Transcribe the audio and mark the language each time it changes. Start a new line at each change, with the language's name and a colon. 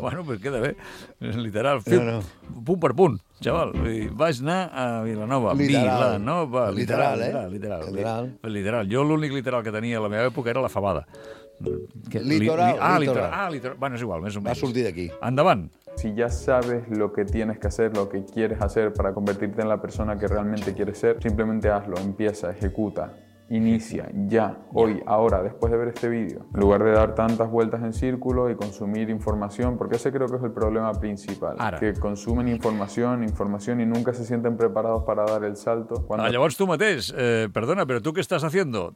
Catalan: Bueno,
Spanish: pues
Catalan: queda bé. Literal. No. Punt per punt, xaval. Vaig anar a Vilanova. Literal. Jo l'únic literal que tenia a la meva època era la fabada. Litoral. Bueno, és igual, més o menys. Va sortir d'aquí. Endavant.
Spanish: Si ya sabes lo que tienes que hacer, lo que quieres hacer para convertirte en la persona que realmente quieres ser, simplemente hazlo, empieza, ejecuta, inicia, ya, hoy, ahora, después de ver este vídeo. En lugar de dar tantas vueltas en círculo y consumir información, porque ese creo que es el problema principal.
Catalan: Ara.
Spanish: Que consumen información y nunca se sienten preparados para dar el salto. Cuando...
Catalan: Llavors tu mateix, perdona, però tu què estàs
Spanish: haciendo?